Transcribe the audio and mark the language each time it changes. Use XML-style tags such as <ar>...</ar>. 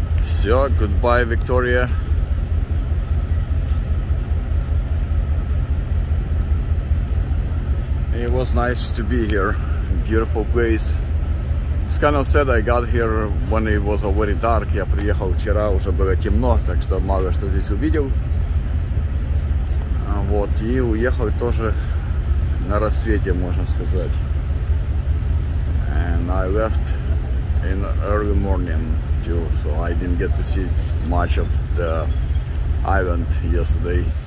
<ru>Все,</ru> <en>goodbye,</en> <ru>Victoria.</ru> <en>It was nice to be here. Beautiful place. Скандал said I got here when it was already dark.</en> <ru>Я приехал вчера, уже было темно, так что мало что здесь увидел. Вот, и уехал тоже на рассвете, можно сказать.</ru> <en>And I left in early morning too, so I didn't get to see much of the island yesterday.</en>